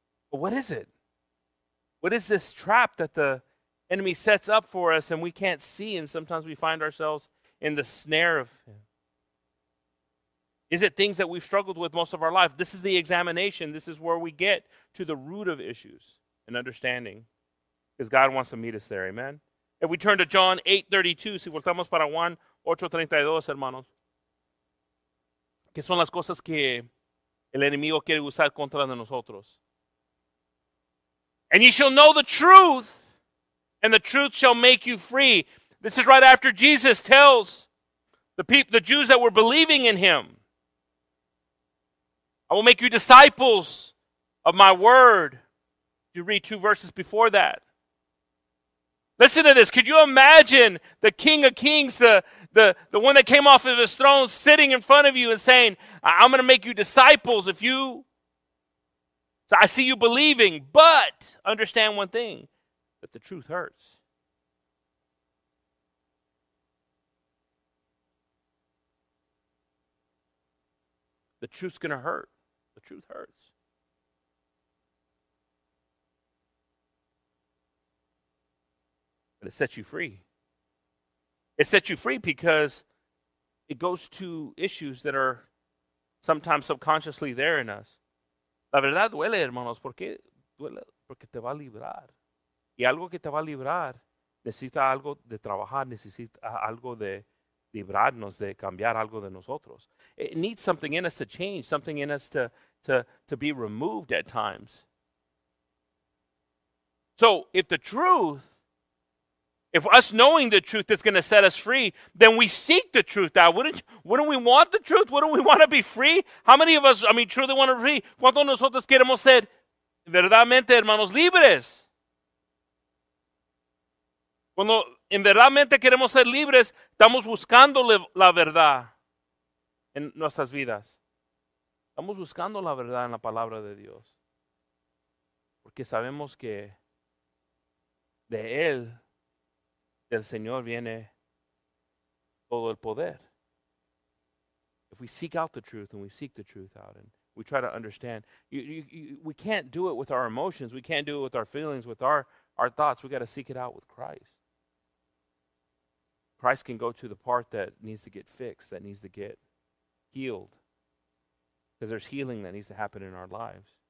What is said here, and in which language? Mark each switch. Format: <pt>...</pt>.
<en>But what is it? What is this trap that the enemy sets up for us and we can't see, and sometimes we find ourselves in the snare of him? Is it things that we've struggled with most of our life? This is the examination. This is where we get to the root of issues and understanding. Because God wants to meet us there. Amen? If we turn to John 8:32,</en> <es>si voltamos para Juan 8:32, hermanos, que son las cosas que el enemigo quiere usar contra de nosotros.</es> <en>And you shall know the truth, and the truth shall make you free. This is right after Jesus tells the Jews that were believing in him, I will make you disciples of my word. You read two verses before that. Listen to this. Could you imagine the King of Kings, the one that came off of his throne, sitting in front of you and saying, I'm going to make you disciples if you... So I see you believing, but understand one thing, that the truth hurts. The truth's going to hurt. The truth hurts. It sets you free. It sets you free because it goes to issues that are sometimes subconsciously there in us.</en> <es>La verdad duele, hermanos. ¿Por qué duele? Porque te va a librar. Y algo que te va a librar necesita algo de trabajar, necesita algo de librarnos, de cambiar algo de nosotros.</es> <en>It needs something in us to change, something in us to be removed at times. So if the truth, if us knowing the truth is going to set us free, then we seek the truth. Now, wouldn't we want the truth? Wouldn't we want to be free? How many of us, I mean, truly want to be free?</en> <es>¿Cuántos nosotros queremos ser verdaderamente, hermanos, libres? Cuando en verdaderamente queremos ser libres, estamos buscando la verdad en nuestras vidas. Estamos buscando la verdad en la palabra de Dios. Porque sabemos que de Él, del Señor viene todo el poder.</es> <en>If we seek out the truth and we seek the truth out and we try to understand, we can't do it with our emotions. We can't do it with our feelings, with our thoughts. We got to seek it out with Christ. Christ can go to the part that needs to get fixed, that needs to get healed, because there's healing that needs to happen in our lives.</en>